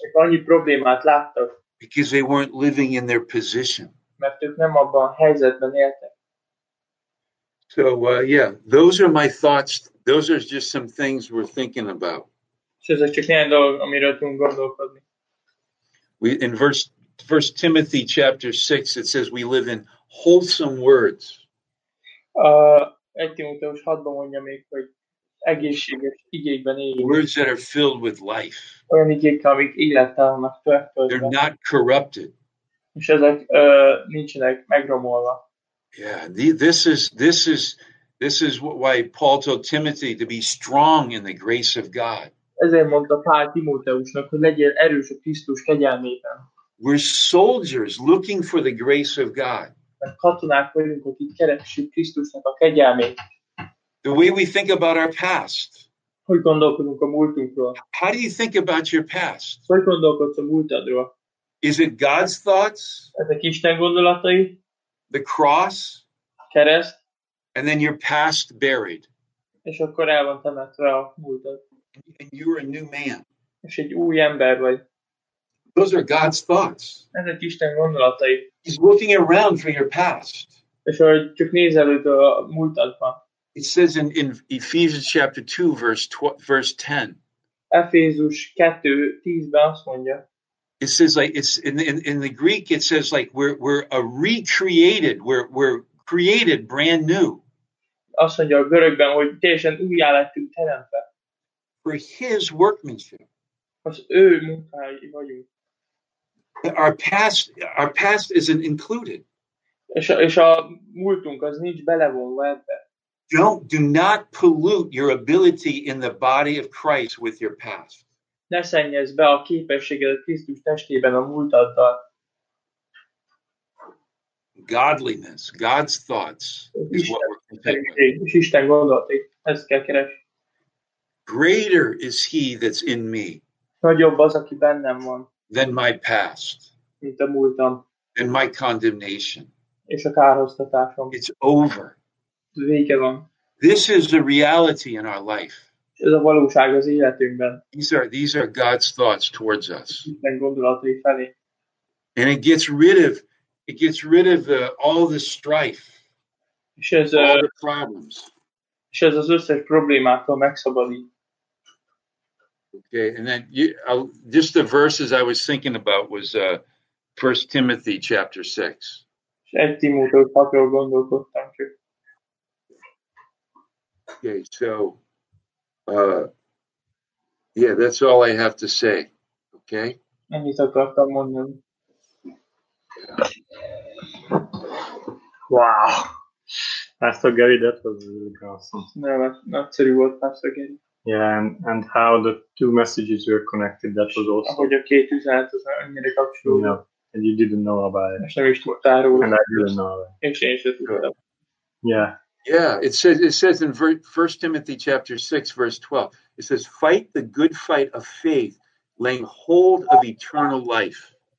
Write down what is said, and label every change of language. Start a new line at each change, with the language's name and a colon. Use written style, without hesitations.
Hungarian: És annyi problémát láttak.
English: Because they weren't living in their position.
Hungarian: Mert ők nem abban a helyzetben éltek.
English: So, yeah, those are my thoughts. Those are just some things we're thinking about.
Hungarian: Ezek csak néhány dolgok, amiről tudunk gondolkodni.
English: In verse Timothy chapter 6, it says we live in wholesome words.
Hungarian: 1 Timóteus 6-ban mondja még, hogy egészséges igékben éljünk.
English: Words that are filled with life.
Hungarian: Olyan igék, amik élettel vannak töltve.
English: They're not corrupted.
Hungarian: És ezek nincsenek megromolva.
English: Yeah, this is why Paul told Timothy to be strong in the grace of God.
Hungarian: Ezért mondta Pál Timóteusnak, hogy legyél erős a Krisztus kegyelmében.
English: We're soldiers looking for the grace of God.
Hungarian: Mert katonák vagyunk, akik keresik Krisztusnak a kegyelmét.
English: The way we think about our past.
Hungarian: Hogy gondolkodunk a múltunkról?
English: How do you think about your past?
Hungarian: Hogy gondolkodsz a múltadról?
English: Is it God's thoughts?
Hungarian: Ezek Isten gondolatai?
English: The cross,
Hungarian: kereszt,
English: and then your past buried.
Hungarian: És akkor el van temetve a múltad.
English: And you're a new man.
Hungarian: És egy új ember vagy.
English: Those are God's thoughts.
Hungarian: Ezek Isten gondolatai.
English: He's looking around for your past.
Hungarian: És ahogy csak néz előtt a múltadba.
English: It says in Ephesians chapter 2, verse 10.
Hungarian: Ephesians 2, 10-ben azt mondja.
English: It says like it's in the Greek it says like we're a recreated, we're created brand new.
Hungarian: Azt mondja a görögben, hogy teljesen újjá lettünk teremtve.
English: For his workmanship.
Hungarian: Az ő munkái vagyunk.
English: Our past isn't included.
Hungarian: És a múltunk az nincs belevonva ebbe.
English: Do not pollute your ability in the body of Christ with your past.
Hungarian: Ne szennyezd be a képességed a Krisztus testében a múltaddal.
English: Godliness, God's thoughts is what we're concerned with.
Hungarian: Isten gondolatai, ezt kell keresni.
English: Greater is he that's in me.
Hungarian: Nagyobb az, aki bennem van.
English: Than my past.
Hungarian: Mint a múltam.
English: Than my condemnation.
Hungarian: És a kárhoztatásom.
English: It's over.
Hungarian: Vége van.
English: This is the reality in our life.
Hungarian: Ez a valóság az életünkben.
English: These are God's thoughts towards us.
Hungarian: Isten gondolatai felé.
English: And it gets rid of all the strife.
Hungarian: És ez
English: all the problems.
Hungarian: És ez az összes problémától megszabadít.
English: Okay, and then just the verses I was thinking about was 1 Timothy chapter 6.
Hungarian: És 1 Timóteus 6-ról gondolkodtam.
English: Okay, so yeah, that's all I have to say. Okay?
Hungarian: Ennyit akartam mondani.
English: Wow. Pastor Gary, that was really awesome.
Hungarian: No, nagyszerű volt, Pastor Gary.
English: Yeah, and how the two messages were connected, that was awesome.
Hungarian: Ahogy a két üzenet az annyira kapcsolódott.
English: Yeah, and you didn't know about it.
Hungarian: És nem is tudtál róla.
English: And I didn't know about
Hungarian: it. És én sem tudtam.
English: Yeah. Yeah, it says in 1 Timothy chapter 6, verse 12, it says, fight the good fight of faith, laying hold of eternal life.